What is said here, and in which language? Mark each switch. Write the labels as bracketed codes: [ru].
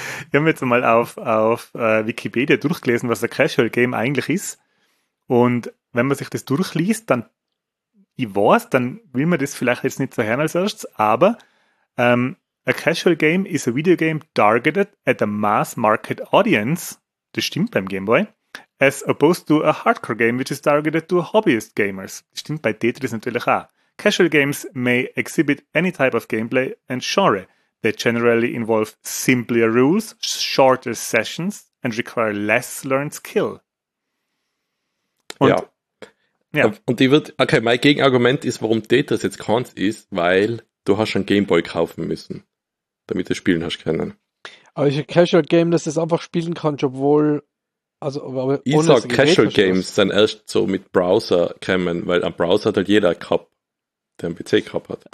[de] Wir haben jetzt mal auf Wikipedia durchgelesen, was ein Casual Game eigentlich ist. Und wenn man sich das durchliest, dann, ich weiß, dann will man das vielleicht jetzt nicht so hören als erstes, aber ein Casual Game ist ein Videogame [en] targeted at a mass market audience. [de] Das stimmt beim Gameboy, [en] as opposed to a hardcore game, which is targeted to hobbyist gamers. [de] Das stimmt bei Tetris natürlich auch. [en] Casual games may exhibit any type of gameplay and genre. They generally involve simpler rules, shorter sessions and require less learned skill. [de] Und, ja. Und ich würde, okay, mein Gegenargument ist, warum Tetris jetzt keins ist, weil du hast einen Gameboy kaufen müssen, damit du spielen hast können. Aber ist ein Casual Game, dass du es einfach spielen kannst, obwohl. Also, aber ich sag, Casual Games sind erst so mit Browser gekommen, weil am Browser hat halt jeder gehabt, der einen PC gehabt hat.